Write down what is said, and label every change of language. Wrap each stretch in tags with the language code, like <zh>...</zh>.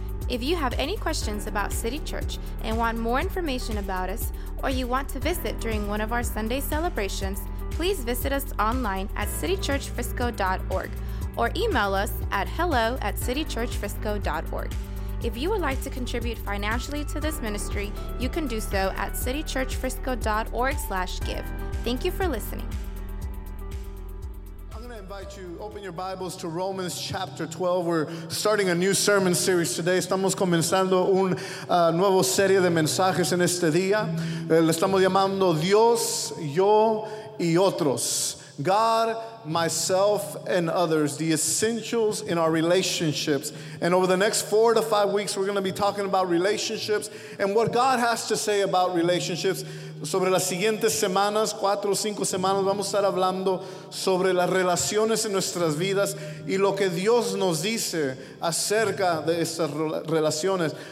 <en>If you have any questions about City Church and want more information about us, or you want to visit during one of our Sunday celebrations, please visit us online at citychurchfrisco.org or email us at hello@citychurchfrisco.org. If you would like to contribute financially to this ministry, you can do so at citychurchfrisco.org/give. Thank you for listening. I'm going to invite you, open your Bibles to Romans chapter 12. We're starting a new sermon series today.</en> <es>Estamos comenzando una nueva serie de mensajes en este día. Le estamos llamando Dios, yo y otros.</es> <en>God, myself, and others, the essentials in our relationships. And over the next 4 to 5 weeks, we're going to be talking about relationships and what God has to say about relationships.</en> <es>Sobre las siguientes semanas, 4 o 5 semanas, vamos a estar hablando sobre las relaciones en nuestras vidas y lo que Dios nos dice acerca de esas relaciones.</es>